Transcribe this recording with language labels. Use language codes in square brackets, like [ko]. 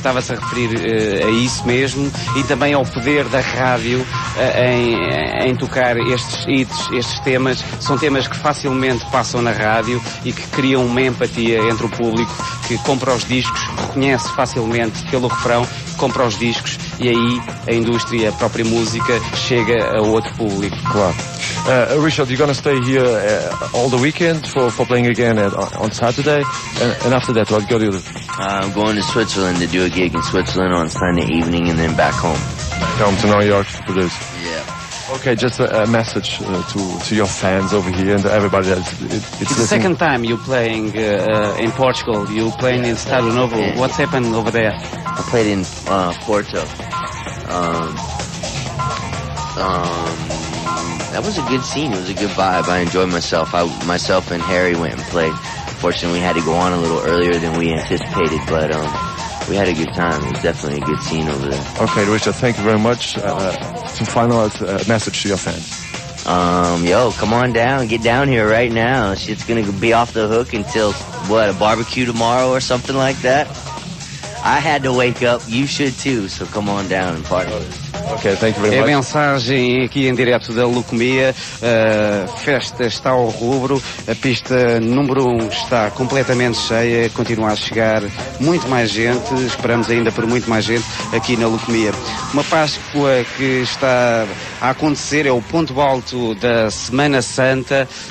[pt] estava-se a referir a isso mesmo, e também ao poder da rádio em tocar estes hits, estes temas. São temas que facilmente passam na rádio e que criam uma empatia entre o público, que compra os discos, reconhece facilmente pelo refrão, compra os discos e aí a indústria, a própria música chega a outro público. Claro. [en] Richard, you're going to stay here all the weekend for playing again on Saturday, and after that, what go do you do? I'm going to Switzerland to do a gig in Switzerland on Sunday evening and then back home. Come to New York to produce. Yeah. Okay, just a message to your fans over here and everybody else. It's the second time you're playing in Portugal. You're playing in Estádio Novo. Yeah. What's happened over there? I played in Porto. That was a good scene. It was a good vibe. I enjoyed myself. Myself and Harry went and played. Fortunately, we had to go on a little earlier than we anticipated, but we had a good time. It was definitely a good scene over there. Okay, Richard, thank you very much. To finalize, a message to your fans. Yo, come on down. Get down here right now. Shit's going to be off the hook until, what, a barbecue tomorrow or something like that? I had to wake up. You should too, so come on down and party. Ok, thank you very much. [pt] É a mensagem aqui em direto da Lucomia. Festa está ao rubro. A pista número 1 está completamente cheia. Continua a chegar muito mais gente. Esperamos ainda por muito mais gente aqui na Lucomia. Uma Páscoa que está a acontecer. É o ponto alto da Semana Santa.